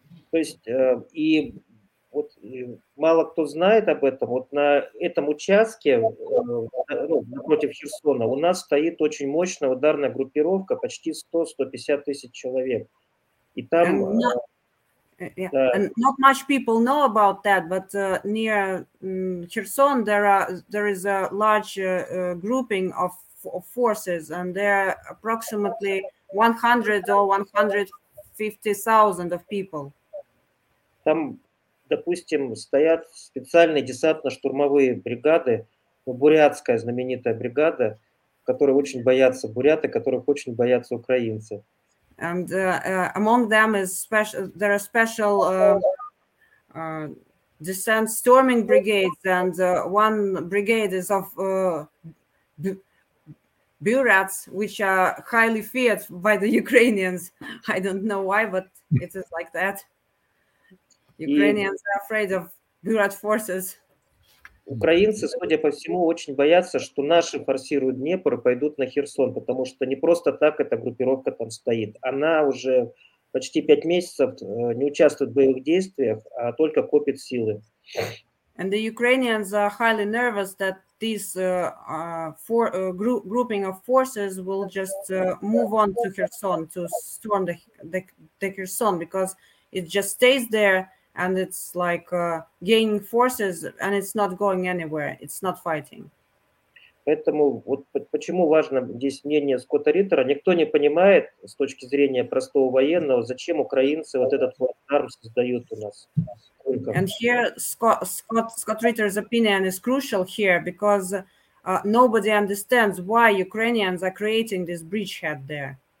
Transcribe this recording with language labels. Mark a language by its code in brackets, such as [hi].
[ru] То есть и мало кто знает об этом. Вот на этом участке напротив Херсона у нас стоит очень мощная ударная группировка, почти 100-150 тысяч человек. И там [en] Not much people know about that, but near Kherson there is a large grouping of forces, and they're approximately 100 or 50,000 of people. [ru] Там, допустим, стоят специальные десантно-штурмовые бригады, бурятская знаменитая бригада, которые очень боятся буряты, которых очень боятся украинцы. [en] And among them is special. There are special descent storming brigades, and one brigade is of Burats, which are highly feared by the Ukrainians. I don't know why, but it is like that. Ukrainians are afraid of Burat forces. [ru] Украинцы, судя по всему, очень боятся, что наши форсируют Днепр и пойдут на Херсон, потому что не просто так эта группировка там стоит. Она уже почти 5 месяцев не участвует в боевых действиях, а только копит силы. [en] And the Ukrainians are highly nervous that this grouping of forces will just move on to Kherson, to storm the Kherson, because it just stays there. And it's like gaining forces, and it's not going anywhere. It's not fighting. [ru] Поэтому вот почему важно здесь мнение Скотта Риттера. Никто не понимает с точки зрения простого военного, зачем украинцы вот этот флотарм создают у нас. [en] And here Scott Ritter's opinion is crucial here because nobody understands why Ukrainians are creating this bridgehead there.